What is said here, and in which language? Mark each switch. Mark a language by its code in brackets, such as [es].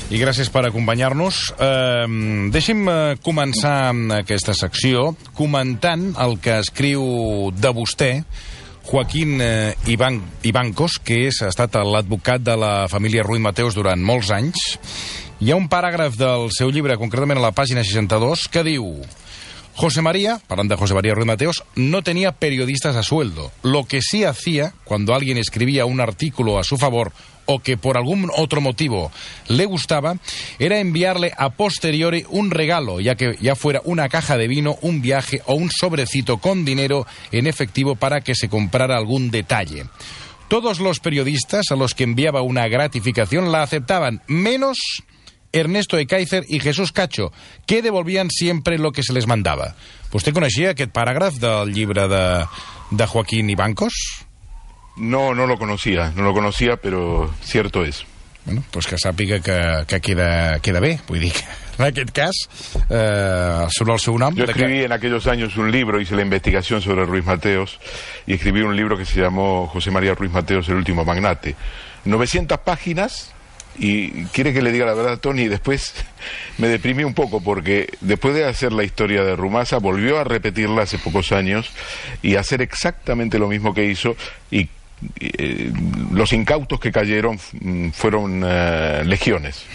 [ca] I gràcies per acompanyar-nos. Deixi'm començar aquesta secció comentant el que escriu de vostè Joaquín Ivancos, que és, ha estat l'advocat de la família Ruiz Mateos durant molts anys. Hi ha un paràgraf del seu llibre, concretament a la pàgina 62, que diu: José María, parlant de José María Ruiz Mateos, [es] no tenía periodistas a sueldo. Lo que sí hacía cuando alguien escribía un artículo a su favor o que por algún otro motivo le gustaba, era enviarle a posteriori un regalo, ya que ya fuera una caja de vino, un viaje o un sobrecito con dinero en efectivo para que se comprara algún detalle. Todos los periodistas a los que enviaba una gratificación la aceptaban, menos Ernesto Ekeizer y Jesús Cacho, que devolvían siempre lo que se les mandaba. ¿Usted conocía [ca] aquest paràgraf del llibre de Joaquín Ivancos? [es] No lo conocía, pero cierto es. [ca] Bueno, pues que sàpiga que queda bé, vull dir que en aquest cas surt el seu nom. [es] Yo escribí en aquellos años un libro, hice la investigación sobre Ruiz Mateos, y escribí un libro que se llamó José María Ruiz Mateos, el último magnate. 900 páginas, y quiere que le diga la verdad, Tony, después me deprimí un poco, porque después de hacer la historia de Rumasa, volvió a repetirla hace pocos años, y hacer exactamente lo mismo que hizo, y los incautos que cayeron fueron legiones.